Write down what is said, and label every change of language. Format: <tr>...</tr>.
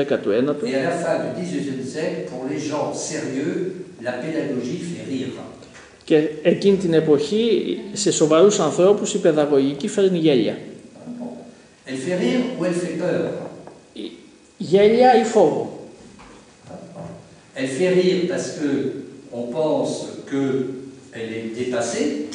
<fr>Et à la fin du 19e siècle, pour les gens sérieux, la pédagogie fait rire.</fr> <el>Και εκείνη την εποχή, σε σοβαρούς ανθρώπους, η παιδαγωγική φέρνει γέλια.</el> <fr>Elle fait rire ou elle fait peur?</fr> <el>Γέλια ή φόβο.</el> <fr>Elle fait rire parce que on pense que elle est dépassée.</fr>